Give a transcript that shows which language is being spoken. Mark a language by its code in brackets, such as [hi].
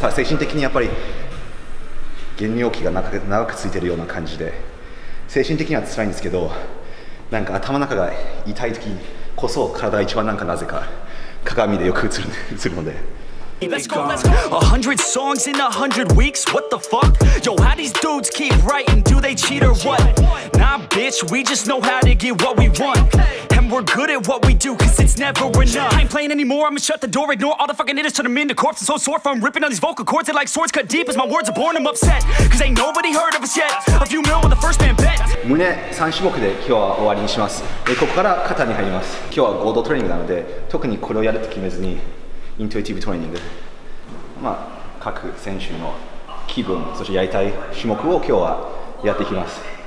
[ja] ただ精神的にやっぱり減量期が長くついてるような感じで精神的には辛いんですけど、なんか頭の中が痛い時こそ体が一番なんかなぜか鏡でよく映るので [en] 100 songs in 100 weeks? What the fuck? Yo, how these dudes keep writing? Do they cheat or what? Nah, bitch, we just know how to get what we want. And we're good at what we do, cause it's never enough. I ain't playing anymore, I'ma shut the door, ignore all the fucking hitters, turn them into corpses. I'm so sore from ripping on these vocal cords, they like swords cut deep as my words are born, I'm upset. Cause ain't nobody heard of us yet. A few mil with the first man bet. [ja] 胸3種目で今日は終わりにします。ここから肩に入ります。今日は合同トレーニングなので、特にこれをやるって決めずに。イントゥイティブトレーニング、まあ各選手の気分そしてやりたい種目を今日はやっていきます。